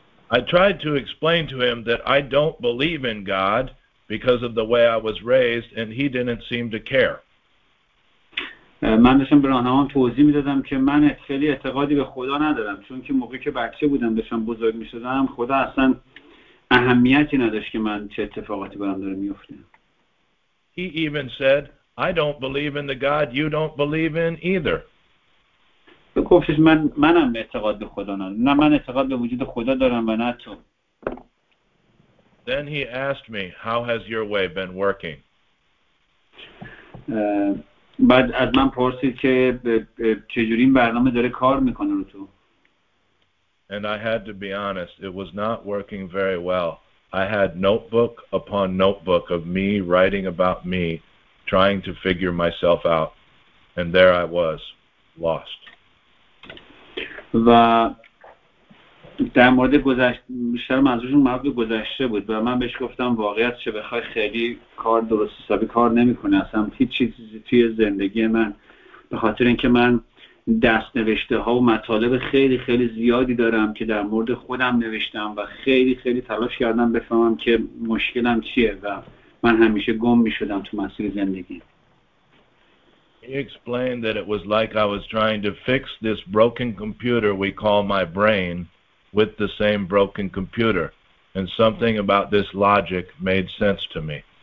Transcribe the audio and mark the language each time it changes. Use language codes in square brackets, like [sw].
[en] I tried to explain to him that I don't believe in God because of the way I was raised, and he didn't seem to care. [fa] من داشتم به راهنمام توضیح میدادم که من خیلی اعتقادی به خدا ندارم، چون که موقعی که بچه بودم داشتم بزرگ میشدم خدا اصلا اهمیتی نداشت که من چه اتفاقاتی برام داره میفته. [en] He even said, I don't believe in the God you don't believe in either. [fa] گفتش منم اعتقاد به خدا ندارم، نه من اعتقاد به وجود خدا دارم و نه تو. [en] Then he asked me, how has your way been working? [fa] بعد از من پرسید که چجوری این برنامه داره کار میکنه رو تو. [en] And I had to be honest, it was not working very well. I had notebook upon notebook of me writing about me, trying to figure myself out. And there I was, lost. [fa] و در مورد گذشته بیشتر منظورشون مربوط به گذشته بود و من بهش گفتم واقعیت چه بخوای خیلی کار درست حسابی کار نمیکنه، اصلا هیچ چیزی توی زندگی من، به خاطر اینکه من دست نوشته ها و مطالب خیلی خیلی زیادی دارم که در مورد خودم نوشتم و خیلی خیلی تلاش کردم بفهمم که مشکلم چیه و من همیشه گم میشدم تو مسیر زندگی. [en] He explained that it was like I was trying to fix this broken computer we call my brain with the same broken computer, and something about this logic made sense to me.